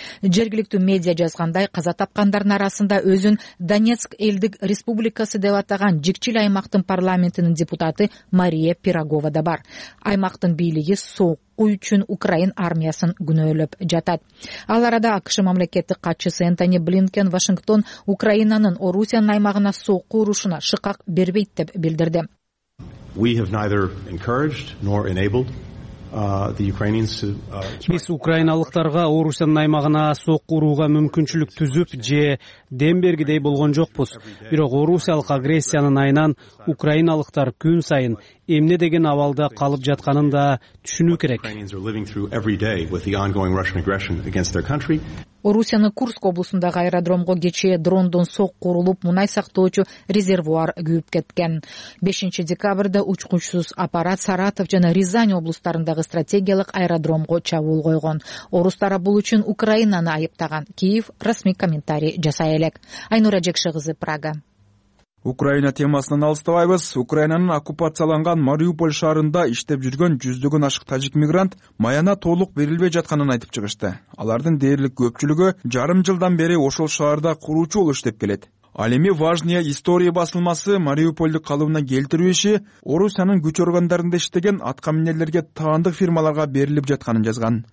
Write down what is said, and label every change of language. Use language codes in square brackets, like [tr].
[ky] Жергиликтүү медиа жазгандай, каза тапкандардын арасында өзүн Донецк элдик республикасы деп атаган Жикчил аймактын парламентинин депутаты Мария Пирогова да бар. Аймактын бийлиги соку үчүн Украин армиясын күнөөлөп жатат. Ал арада АКШ мамлекеттик катчысы Энтони Блинкен Вашингтон Украинанын Орусиянын аймагына соку урушуна шыкак бербейт деп билдирди. [en] We have neither encouraged nor enabled the Ukrainians to [ky] Биз украиналыктарга Орусиянын аймагына сок урууга мүмкүнчүлүк түзүп же дем бергидей болгон жокпуз. Бирок орусиялык агрессиянын айынан украиналыктар күн сайын эмне деген абалда калып жатканын да түшүнүү керек. [en] Ukrainians are living through every day with the ongoing Russian aggression against their country. [ky] Орусиянын Курск облусундагы аэродромго кечээ дрондон сок урулуп, мунай сактоочу резервуар күйүп кеткен. 5 декабрда учкучсуз аппарат Саратов жана Рязань облустарындагы стратегиялык аэродромго чабуул койгон. Орус тарап бул үчүн Украинаны айыптаган. Киев расмий комментарий жасай элек. Айнура Жекши кызы, Прага. Украина темасынан алыстабайбыз. Украинанын оккупацияланган Мариуполь шаарында иштеп жүргөн жүздөгөн ашык тажик мигрант маяна толук берилбей жатканын айтып чыгышты. Алардын дээрлик көпчүлүгү жарым жылдан бери ошол шаарда куруучу болуп иштеп келет. Ал эми Важная история басылмасы Мариупольду калыбына келтирүү иши Орусиянын күч органдарында иштеген аткаминерлерге таандык фирмаларга берилип жатканын жазган.